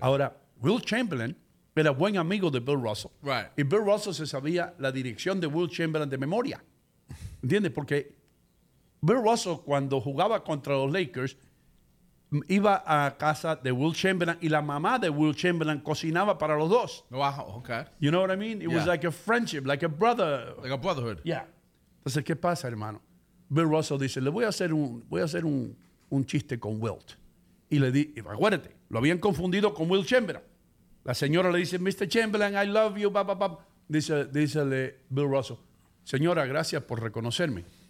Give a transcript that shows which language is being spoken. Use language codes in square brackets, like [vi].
[es] Ahora, Will Chamberlain era buen amigo de Bill Russell. [en] Right. [es] Y Bill Russell se sabía la dirección de Will Chamberlain de memoria. ¿Entiendes? Porque Bill Russell, cuando jugaba contra los Lakers, iba a casa de Will Chamberlain y la mamá de Will Chamberlain cocinaba para los dos. [en] Wow, okay. You know what I mean? It was like a friendship, like a brother. Like a brotherhood. [es] Yeah. Entonces, ¿qué pasa, hermano? Bill Russell dice, le voy a hacer un chiste con Wilt. Y le di, y acuérdate, lo habían confundido con Will Chamberlain. La señora le dice, Mr. Chamberlain, [en] I love you, [es] papá, papá. Dícele Bill Russell, señora, gracias por reconocerme.